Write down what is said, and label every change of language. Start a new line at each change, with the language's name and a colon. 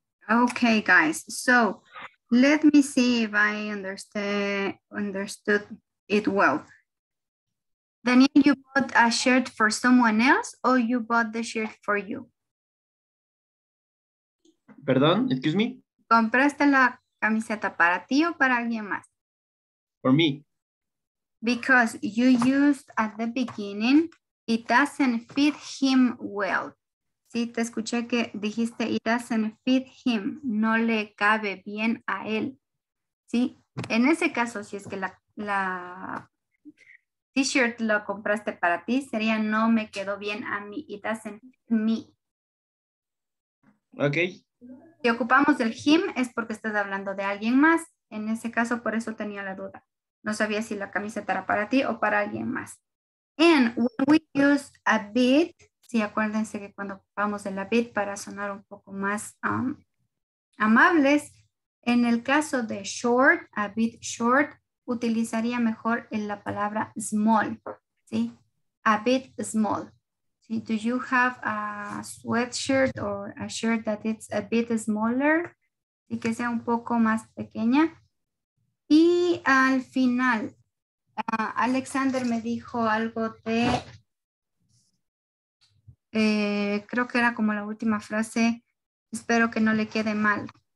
English: Okay, guys. So let me see if I understood it well. Daniel, you bought a shirt for someone else or you bought the shirt for you?
Spanish: Perdón,
English: excuse me.
Spanish: ¿Compraste la camiseta para ti o para alguien más?
English: For me. Because you used at the beginning, it doesn't fit him well.
Spanish: Sí, te escuché que dijiste,
English: it doesn't fit him,
Spanish: no le cabe bien a él. Sí, en ese caso, si es que la t-shirt lo compraste para ti, sería no me quedó bien a mí,
English: it doesn't fit me. Ok.
Spanish: Si ocupamos el him es porque estás hablando de alguien más. En ese caso, por eso tenía la duda. No sabía si la camiseta era para ti o para alguien más.
English: And when we use a bit,
Spanish: sí, acuérdense que cuando ocupamos el a bit para sonar un poco más amables, en el caso de short,
English: a bit short,
Spanish: utilizaría mejor en la palabra small. ¿Sí?
English: A bit small.
Spanish: ¿Sí?
English: Do you have a sweatshirt or a shirt that it's a bit smaller?
Spanish: Y que sea un poco más pequeña. Y al final, Alexander me dijo algo de, creo que era como la última frase, espero que no le quede mal.